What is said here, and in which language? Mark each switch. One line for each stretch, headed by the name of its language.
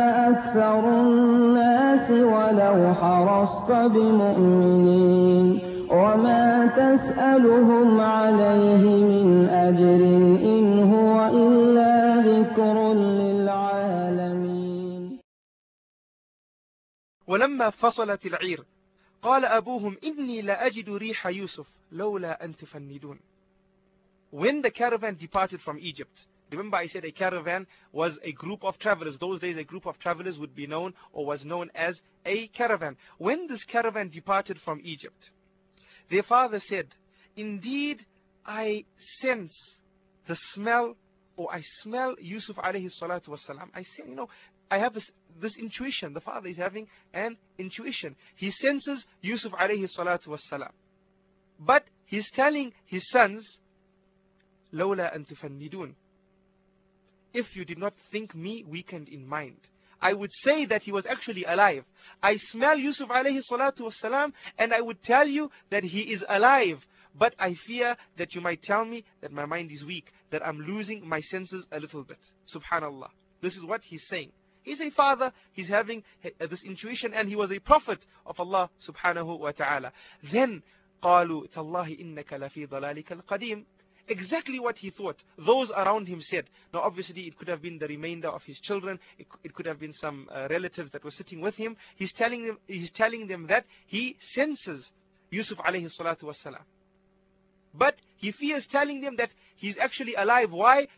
Arabic: أكثر الناس ولو حرصت بمؤمنين وما تسألهم عليه من أجر إن هو إلا ذكر للعالمين. ولما فصلت العير قال أبوهم إني لأجد ريح يوسف لولا أن تفندون.
English: When the caravan departed from Egypt, remember I said a caravan was a group of travelers. Those days a group of travelers would be known or was known as a caravan. When this caravan departed from Egypt, their father said, indeed I sense the smell, or I smell Yusuf alayhi salatu wasalam. I say, you know, I have this intuition. The father is having an intuition. He senses Yusuf alayhi salatu wasalam. But he's telling his sons,
Arabic: Lawla an tufannidun.
English: If you did not think me weakened in mind, I would say that he was actually alive. I smell Yusuf alayhi salatu wasalam, and I would tell you that he is alive. But I fear that you might tell me that my mind is weak, that I'm losing my senses a little bit. Subhanallah. This is what he's saying. He's a father, he's having this intuition, and he was a prophet of Allah subhanahu wa ta'ala.
Arabic: Then, قَالُوا تَاللَّهِ إِنَّكَ لَفِي ضَلَالِكَ الْقَدِيمِ.
English: Exactly what he thought, those around him said. Now obviously it could have been the remainder of his children, it could have been some relatives that were sitting with him. He's telling them that he senses Yusuf alayhi salatu wasalam. But he fears telling them that he's actually alive. Why?